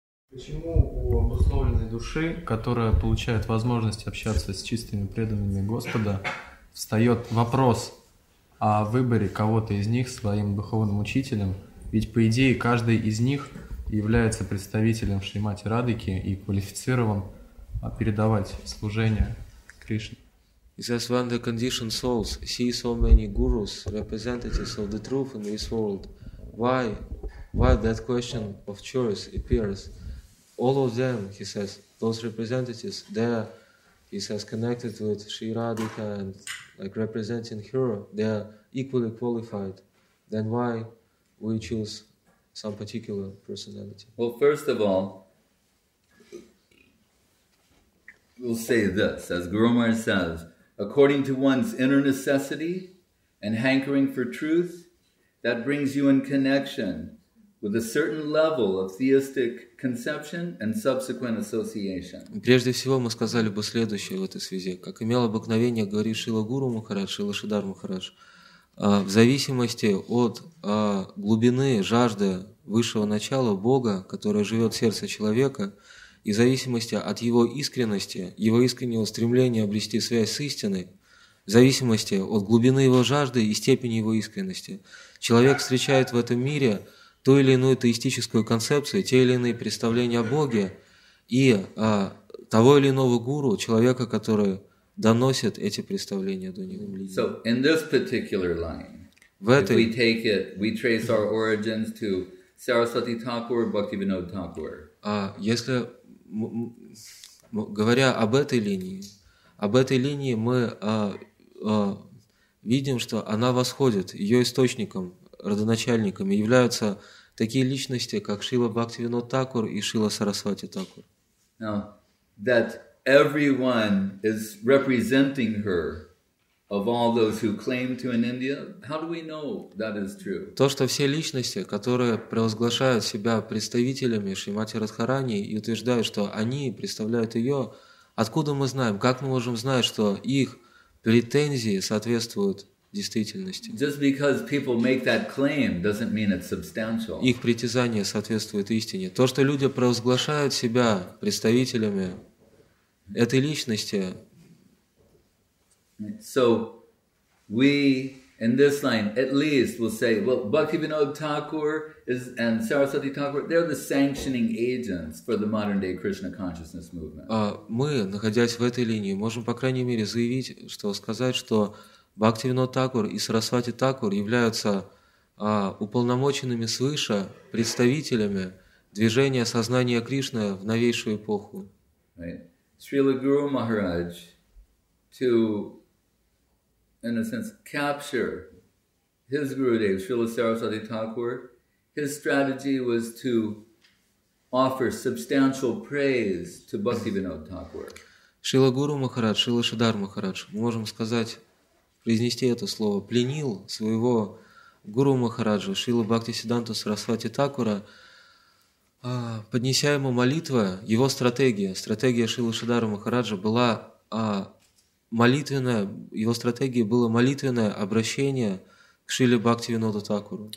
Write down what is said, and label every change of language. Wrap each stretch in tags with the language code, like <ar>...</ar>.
<ru>Почему у обусловленной души, которая получает возможность общаться с чистыми преданными Господа, встает вопрос о выборе кого-то из них своим духовным учителем? Ведь, по идее, каждый из них является представителем Шримати Радхики и квалифицирован передавать служение Кришне.</ru> <en>He says, when the conditioned souls see so many gurus, representatives of the truth in this world, why that question of choice appears? All of them, he says, those representatives, they are, he says, connected with Sri Radhika and like representing her, they are equally qualified. Then why we choose some particular personality? Well, first of all, we'll say this, as Guru Maharaj says, according to one's inner necessity and hankering for truth, that brings you in connection with a certain level of theistic conception and subsequent association.</en> <ru>Прежде всего, мы сказали бы следующее в этой связи. Как имел обыкновение говорить Шрила Гуру Махарадж, Шрила Шридхар Махарадж, в зависимости от глубины жажды высшего начала Бога, которое живет в сердце человека, и в зависимости от его искренности, его искреннего стремления обрести связь с истиной, в зависимости от глубины его жажды и степени его искренности, человек встречает в этом мире ту или иную теистическую концепцию, те или иные представления о Боге и того или иного гуру, человека, который доносит эти представления до него.</ru> <en>So in this particular line,</en> <ru>в этой,</ru> <en>if we take it, we trace our origins to Saraswati Thakur, Bhaktivinoda Thakur.</en> <ru>Если говоря об этой линии мы видим, что она восходит, ее источником, родоначальником являются такие личности, как Шрила Бхактивинод Такур и Шрила Сарасвати Такур.</ru> <en>Now, that everyone is representing her of all those who claim to in India, how do we know that is true?</en> <ru>То, что все личности, которые провозглашают себя представителями Шримати Радхарани и утверждают, что они представляют ее, откуда мы знаем, как мы можем знать, что их претензии соответствуют действительности?</ru> <en>Just because people make that claim doesn't mean it's substantial.</en> <ru>Их притязания соответствуют истине. То, что люди провозглашают себя представителями этой личности.</ru> <en>So we in this line at least will say, well, Bhaktivinoda Thakur is and Saraswati Thakur, they're the sanctioning agents for the modern day Krishna consciousness movement.</en> <ru>Мы, находясь в этой линии, можем по крайней мере заявить, что сказать, что Бхактивинода Такур и Сарасвати Такур являются уполномоченными свыше представителями движения сознания Кришны в новейшую эпоху.</ru> <en>Right. Srila Guru Maharaj to in a sense capture his Gurudev, Srila Saraswati Thakur, his strategy was to offer substantial praise to Bhaktivinoda Thakur.</en> <ru>Srila Guru Maharaj, Srila Shridhar Maharaj, можем сказать, произнести это слово, пленил своего Гуру Махараджа Шрилу Бхактисиддханту Сарасвати Такура, поднеся ему молитвы, его стратегия, стратегия Шрилы Шридхара Махараджа была молитвенная, его стратегия была молитвенное обращение к Шриле Бхактивиноду Такуру.</ru>